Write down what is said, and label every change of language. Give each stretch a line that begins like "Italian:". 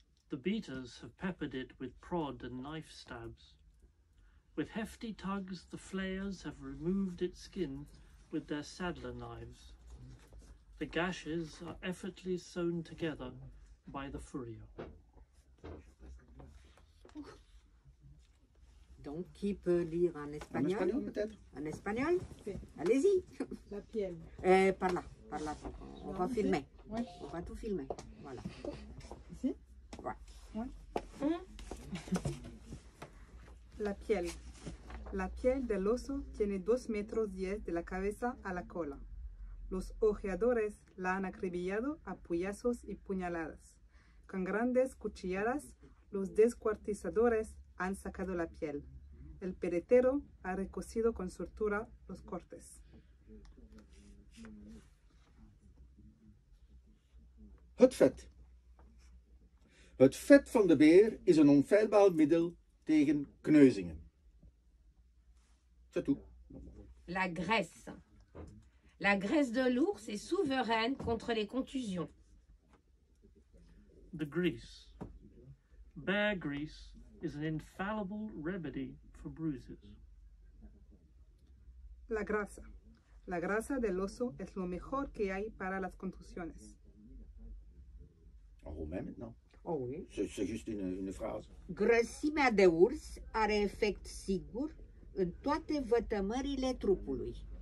English: The beaters have peppered it with prod and knife stabs. With hefty tugs, the flayers have removed its skin with their saddler knives. The gashes are effortlessly sewn together by the furrier.
French: Donc, qui peut lire en espagnol? En espagnol, peut-être? En espagnol? Oui. Allez-y!
Spanish: La piel.
French: Par là, on va filmer. Oui. On va tout filmer. Voilà. Ici? Ouais. Oui.
Spanish: La piel. La piel del oso tiene 2,10 m de la cabeza a la cola. Los ojeadores la han acribillado a puyazos y puñaladas. Con grandes cuchilladas, los descuartizadores han sacado la piel. El peretero ha recocido con soltura los cortes.
Dutch: Het vet. Het vet van de beer is een onfeilbaar middel tegen kneuzingen.
French: C'est tout. La graisse. La graisse de l'ours est souveraine contre les contusions.
English: The grease. Bear grease is an infallible remedy for bruises.
Spanish: La grasa. La grasa del oso es lo mejor que hay para las contusiones.
French: En roumain maintenant. Oh oui. C'est juste une phrase.
Romanian: Grăsimea de urs are efect sigur în toate vătămările trupului.